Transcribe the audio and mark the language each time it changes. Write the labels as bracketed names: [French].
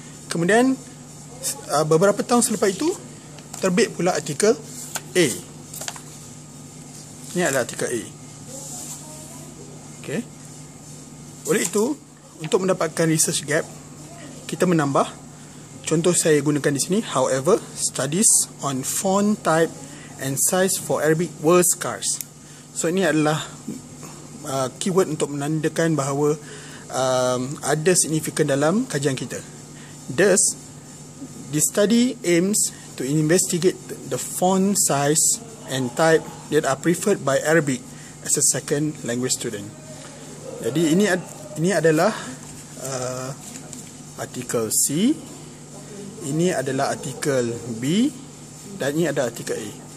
[Malay] Kemudian beberapa tahun selepas itu terbit pula artikel A. Ini adalah artikel A. Okey. Oleh itu, untuk mendapatkan research gap, kita menambah. Contoh saya gunakan di sini, [English] however, studies on font type and size for Arabic were scarce. [Malay] So ini adalah keyword untuk menandakan bahawa ada signifikan dalam kajian kita. [English] Thus, the study aims to investigate the font size and type that are preferred by Arabic as a second language student. [Malay] Jadi ini adalah artikel C, ini adalah artikel B dan ini adalah artikel A.